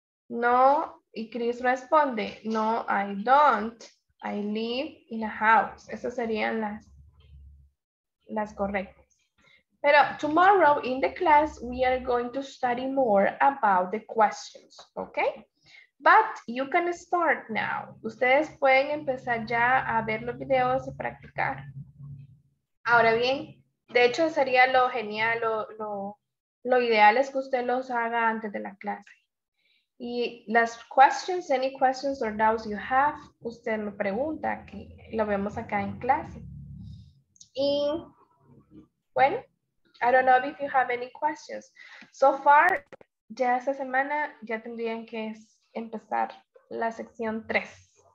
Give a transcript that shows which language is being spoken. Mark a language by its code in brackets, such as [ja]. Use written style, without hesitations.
[es] No, y Chris responde, no, [en] I don't. I live in a house. [es] Esas serían las correctas. [en] Pero tomorrow in the class, we are going to study more about the questions, okay? But you can start now. [es] Ustedes pueden empezar ya a ver los videos y practicar. Ahora bien, de hecho sería lo genial, lo ideal es que usted los haga antes de la clase. Y las questions, [en] any questions or doubts you have, [es] usted me pregunta, que lo vemos acá en clase. Y bueno, [en] I don't know if you have any questions. So far, [es] ya esta semana ya tendrían que empezar la sección 3.